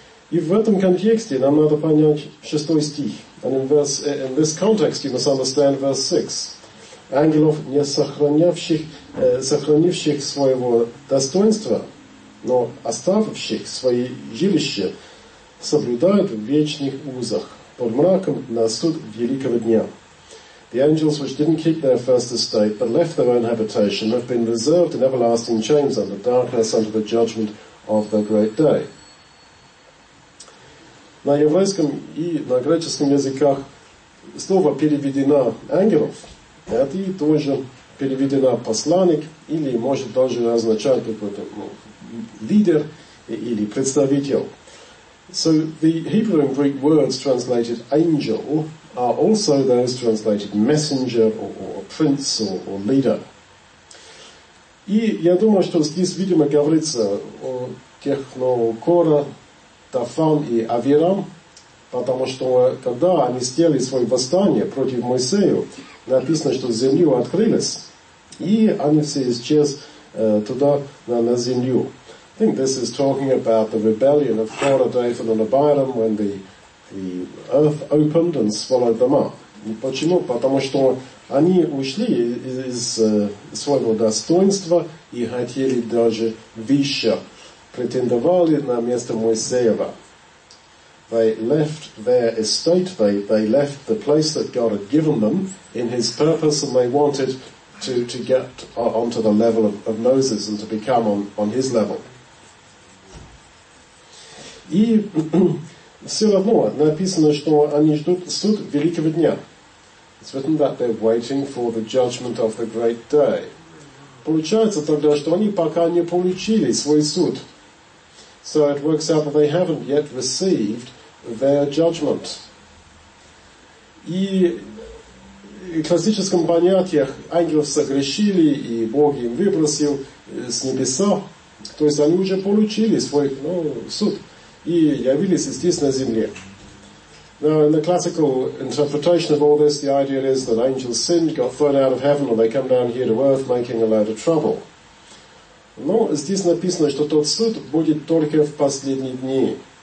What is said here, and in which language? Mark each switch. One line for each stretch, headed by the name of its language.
Russian: И в этом контексте нам надо понять шестой стих.
English: And in this context, you must understand verse 6.
Russian: Ангелов, не сохранявших, сохранивших своего достоинства, но оставивших свои жилища, соблюдают в вечных узах под мраком на суд великого дня.
English: The angels which didn't keep their first estate, but left their own habitation, have been reserved in everlasting chains under darkness under the judgment of the great day.
Russian: На еврейском и на греческом языках слово переведено ангелов. Это и тоже переведено посланник, или может даже означать какой-то, ну, лидер или представитель.
English: So the Hebrew and Greek words translated angel are also those translated messenger or prince or leader.
Russian: И я думаю, что здесь, видимо, говорится о тех, ну, Кора, Дафан и Авирам, потому что когда они сделали свое восстание против Моисея, написано, что землю открылись, и они все исчезли туда, на землю.
English: I think this is talking about the rebellion of Korah, Dathan, and Abiram when the earth opened and swallowed them up.
Russian: Почему? Потому что они ушли из своего достоинства и хотели даже выше, претендовали на место Моисеева.
English: They left their estate, they left the place that God had given them in his purpose, and they wanted to get onto the level of Moses and to become on his level.
Russian: И все равно написано, что они ждут суд великого дня.
English: It's written that they're waiting for the judgment of the great day.
Russian: Получается тогда, что они пока не получили свой суд.
English: So it works out that they haven't yet received their judgment.
Russian: И в классическом понятии ангелов согрешили, и Бог им выбросил с небеса. То есть они уже получили свой, ну, суд и явились здесь на земле.
English: Now, in the classical interpretation of all this, the idea is that angels sinned, got thrown out of heaven, or they come down here to earth making a lot of trouble.
Russian: Но здесь написано, что тот суд будет только в последний день.